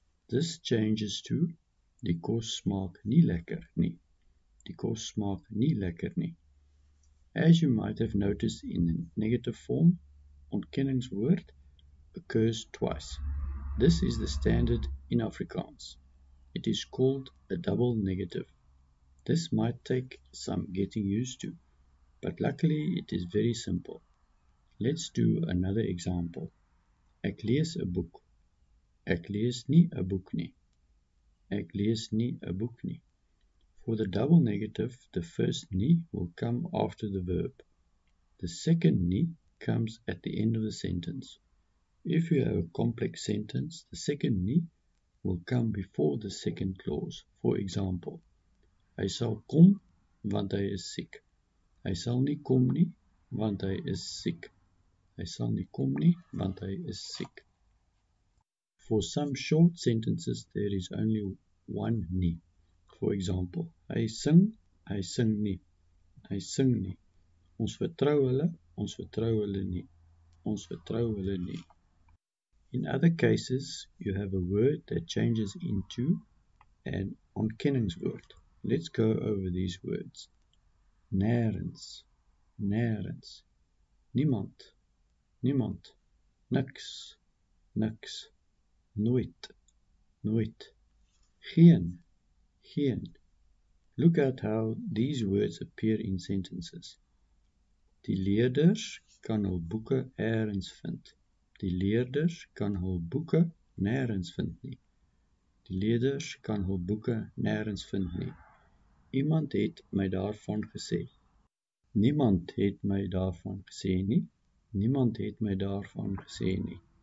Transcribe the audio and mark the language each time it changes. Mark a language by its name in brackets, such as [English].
[English] This changes to [Afrikaans] die kos smaak nie lekker nie. Die kos smaak nie lekker nie. [English] As you might have noticed in the negative form, ontkenningswoord occurs twice. This is the standard in Afrikaans. It is called a double negative. This might take some getting used to, but luckily it is very simple. Let's do another example. [Afrikaans] Ek lees 'n boek. Ek lees nie 'n boek nie. Ek lees nie 'n boek nie. [English] For the double negative, the first nie will come after the verb. The second nie comes at the end of the sentence. If you have a complex sentence, the second nie will come before the second clause. For example, [Afrikaans] hy sal kom want hy is siek. Hy sal nie kom nie want hy is siek. Hy sal nie kom nie want hy is siek. [English] For some short sentences, there is only one nie. For example, [Afrikaans] hy sing nie, hy sing nie. Ons vertrou hulle, ons vertrou hulle nie, ons vertrou hulle nie. [English] In other cases, you have a word that changes into an ontkenningswoord. Let's go over these words. Nêrens, nêrens. [Afrikaans] Niemand, niemand. Niks, niks. Nooit, nooit. Geen, geen. [English] Look at how these words appear in sentences. [Afrikaans] Die leerders kan hul boeke nêrens vind. Die leerders kan hul boeke nêrens vind nie. Die leerders kan hul boeke nêrens vind nie. Iemand het my daarvan gesê. Niemand het my daarvan gesê nie. Niemand het my daarvan gesê nie.